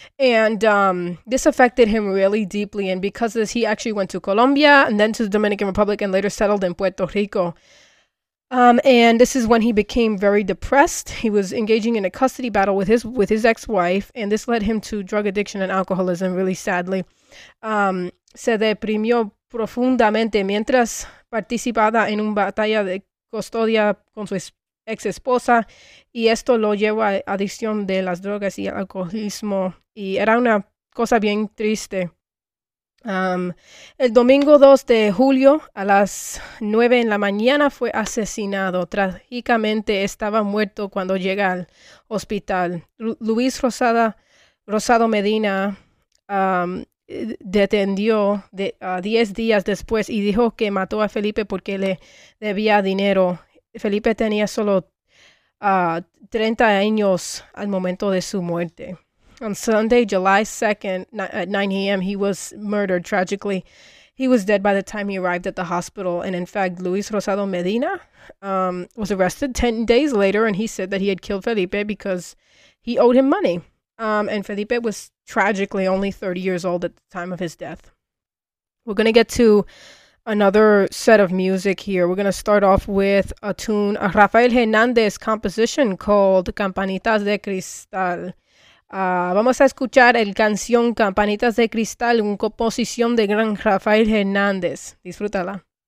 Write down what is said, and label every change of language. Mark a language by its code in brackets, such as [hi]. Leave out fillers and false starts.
[en] And this affected him really deeply, and because of this, he actually went to Colombia and then to the Dominican Republic and later settled in Puerto Rico. And this is when he became very depressed. He was engaging in a custody battle with his ex-wife, and this led him to drug addiction and alcoholism, really sadly. [es] Se deprimió profundamente mientras participaba en una batalla de custodia con su ex-esposa, y esto lo llevó a adicción de las drogas y alcoholismo, y era una cosa bien triste. El domingo 2 de julio a las 9 en la mañana fue asesinado. Trágicamente estaba muerto cuando llega al hospital. Luis Rosado Medina detendió 10 días después y dijo que mató a Felipe porque le debía dinero. Felipe tenía solo 30 años al momento de su muerte. [en] On Sunday, July 2nd, at 9 a.m., he was murdered tragically. He was dead by the time he arrived at the hospital. And in fact, Luis Rosado Medina was arrested 10 days later, and he said that he had killed Felipe because he owed him money. And Felipe was tragically only 30 years old at the time of his death. We're going to get to another set of music here. We're going to start off with a tune, a Rafael Hernandez composition called Campanitas de Cristal. [es] Vamos a escuchar el canción Campanitas de Cristal, una composición de gran Rafael Hernández. Disfrútala.